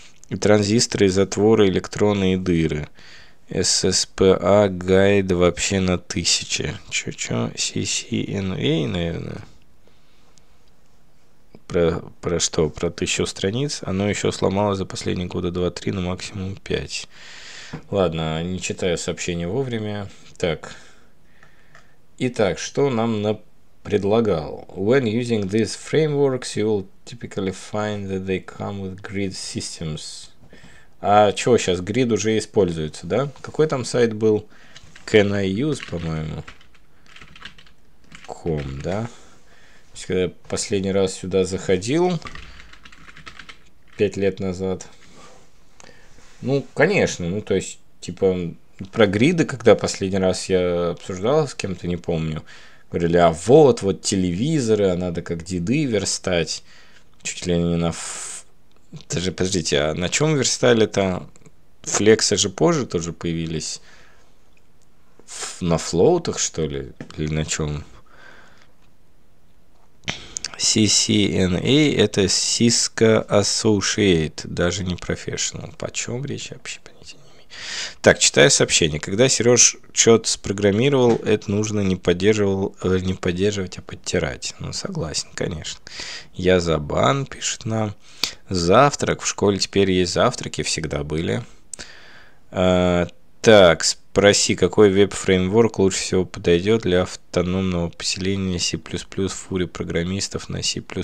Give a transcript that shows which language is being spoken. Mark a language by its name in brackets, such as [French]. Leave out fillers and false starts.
[Russian] И транзисторы, и затворы, электроны, и дыры. SSPA гайд вообще на 1000. Чё-чё? CCNA, наверное. Про что? Про 1000 страниц? Оно еще сломалось за последние года 2-3, но максимум 5. Ладно, не читаю сообщения вовремя. Так. Итак, что нам предлагал? [English] When using these frameworks, you will typically find that they come with grid systems. [Russian] А что сейчас? Grid уже используется, да? Какой там сайт был? Can I use, по-моему? Com, да? То есть, когда я последний раз сюда заходил, 5 лет назад. Ну, конечно, ну, то есть, типа, про гриды, когда последний раз я обсуждал с кем-то, не помню, говорили, а вот телевизоры, а надо как деды верстать. Чуть ли не на... Даже, подождите, а на чем верстали-то? Флексы же позже тоже появились. На флоутах, что ли? Или на чем? CCNA это Cisco Associate, даже не Professional. Почем речь вообще понятия не имею. Так, читаю сообщение. Когда Сереж что-то спрограммировал, это нужно не поддерживать, а подтирать. Ну, согласен, конечно. Я за бан, пишет нам. Завтрак. В школе теперь есть завтраки, всегда были. Так, спроси, какой веб-фреймворк лучше всего подойдет для автономного поселения C++ фури программистов на C++.